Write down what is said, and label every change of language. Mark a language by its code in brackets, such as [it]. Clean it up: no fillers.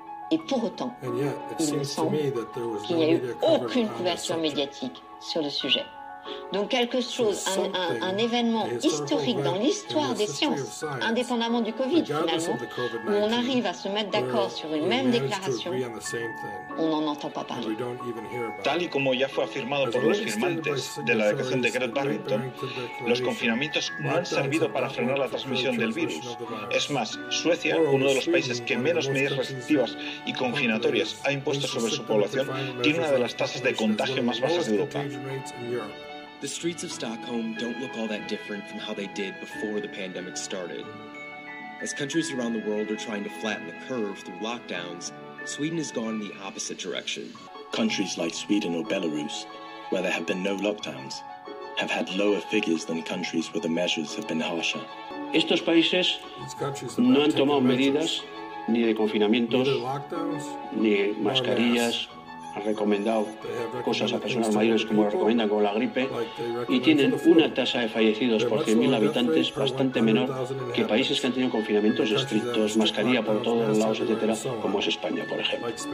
[fr] Et pour autant, il me semble qu'il n'y a eu aucune couverture médiatique sur le sujet. Donc quelque chose, un événement historique dans l'histoire des sciences, indépendamment du Covid finalement, où on arrive à se mettre d'accord sur une même déclaration, on n'en entend pas parler. [es] Tal y como ya fue afirmado por los firmantes de la declaración de Great Barrington, los confinamientos no han servido para frenar la transmisión del virus. Es más, Suecia, uno de los países que menos medidas restrictivas y confinatorias ha impuesto sobre su población, tiene una de las tasas de contagio más bajas de Europa. [en] The streets of Stockholm don't look all that different from how they did before the pandemic started. As countries around the world are trying to flatten the curve through lockdowns, Sweden has gone in the opposite direction. Countries like Sweden or Belarus, where there have been no lockdowns, have had lower figures than countries where the measures have been harsher. [es] Estos países no han tomado medidas ni de confinamientos, ni mascarillas. Han recomendado cosas a personas mayores como lo recomiendan con la gripe y tienen una tasa de fallecidos por 100.000 habitantes bastante menor que países que han tenido confinamientos estrictos, mascarilla por todos lados, etcétera, como es España, por ejemplo.